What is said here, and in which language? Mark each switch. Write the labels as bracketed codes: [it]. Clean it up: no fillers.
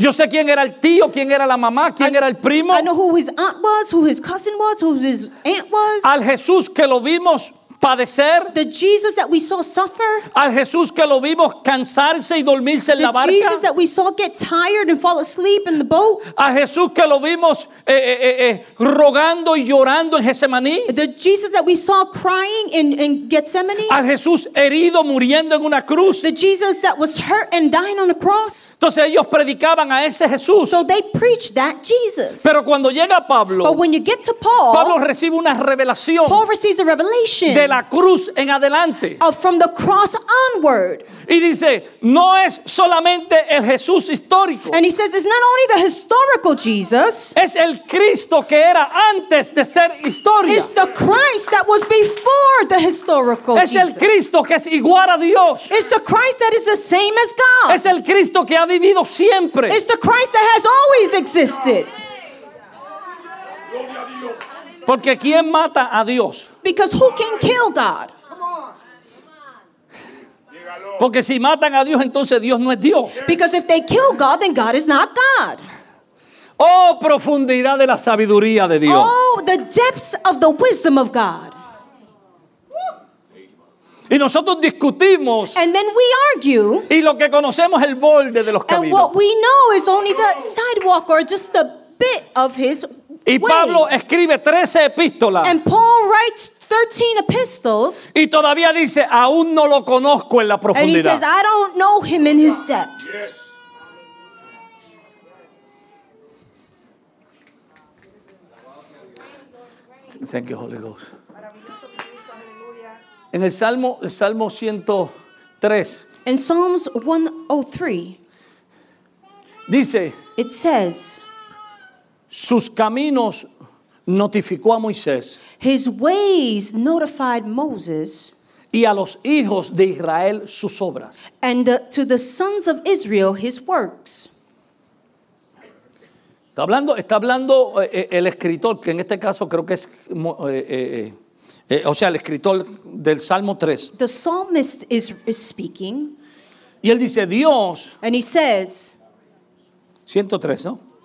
[es] Yo sé quién era el tío, quién era la mamá, quién era el primo. [en] I know who his aunt was, who his cousin was, who his aunt was. [es] Al Jesús que lo vimos padecer, [en] the Jesus that we saw suffer, [es] al Jesús que lo vimos cansarse y dormirse en la barca, [en] the Jesus that we saw get tired and fall asleep in the boat, [es] a Jesús que lo vimos rogando y llorando en Getsemaní, [en] the Jesus that we saw crying in Gethsemane, [es] al Jesús herido muriendo en una cruz, [en] the Jesus that was hurt and dying on a cross. [es] Entonces ellos predicaban a ese Jesús. [en] So they preached that Jesus. [es] Pero cuando llega Pablo, [en] but when you get to Paul, [es] Pablo recibe una revelación. [en] Paul receives a revelation. [es] De la cruz en adelante. [en] From the cross onward. [es] Y dice, no es solamente el Jesús histórico. [en] And he says, it's not only the historical Jesus. [es] Es el Cristo que era antes de ser historia. [en] It's the Christ that was before the historical [es] es [en] Jesus. [es] Es el Cristo que es igual a Dios. [en] It's the Christ that is the same as God. [es] Es el Cristo que ha vivido siempre. [en] It's the Christ that has always existed. [es] Porque ¿quién mata a Dios? [en] Because who can kill God? [es] Porque si matan a Dios, entonces Dios no es Dios. [en] Because if they kill God, then God is not God. [es] Oh, profundidad de la sabiduría de Dios. [en] Oh, the depths of the wisdom of God. [es] Y nosotros discutimos. [en] And then we argue. [es] Y lo que conocemos es el borde de los caminos. [en] And what we know is only the sidewalk or just a bit of his [es] y Pablo escribe 13 epístolas. [en] And Paul writes 13 epistles. [es] Y todavía dice, aún no lo conozco en la profundidad. [en] And he says, I don't know him in his depths. Yes. Thank you, Holy Ghost. [es] En el Salmo, Salmo 103. [en] In Psalms 103. [es] Dice. [en] It says. [es] Sus caminos notificó a Moisés. [en] His ways notified Moses. [es] Y a los hijos de Israel sus obras. [en] And to the sons of Israel his works. [es] Está hablando el escritor, que en este caso creo que es, el escritor del Salmo 3. [en] The psalmist is speaking. [es] Y él dice, Dios. [en] And he says. [es] 103, ¿no?